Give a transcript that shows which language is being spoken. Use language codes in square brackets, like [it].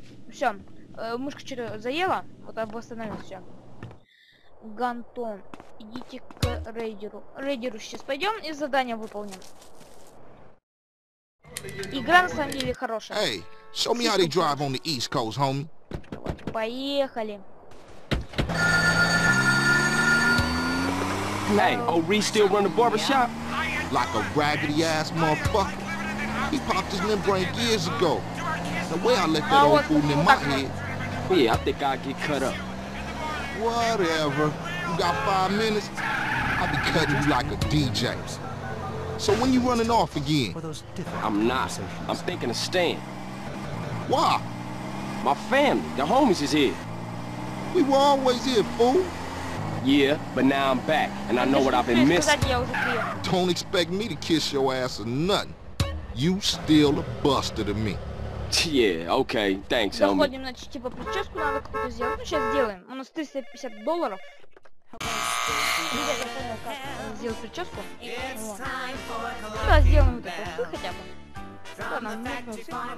[ru] Все, мышка что-то заела. Вот, восстановим все. Гантон, идите к рейдеру. Рейдеру сейчас пойдем и задание выполним. Игра на самом деле хорошая. [en] Hey, show me how they drive on the East Coast, homie. [ru] Давай, поехали. [en] Hey, O'Ree still run the barbershop? Like a raggedy ass motherfucker. He popped his membrane years ago. The way I let that old fool in my head. Yeah, I think I'll get cut up. Whatever. You got 5 minutes? I'll be cutting you like a DJ. So when you running off again? I'm not. I'm thinking of staying. Why? My family, the homies is here. We were always here, fool. Yeah, but now I'm back, and I know what I've been missing. Don't expect me to kiss your ass or nothing. You still a buster to me. Yeah, okay, thanks, homie. [ru] Заходим, значит, типа, прическу надо какую-то сделать. Ну, сейчас сделаем. У нас $350. Я понял, как сделать прическу. Вот. Ну, а сделаем вот эту усы хотя бы. Что, нам нужно усы?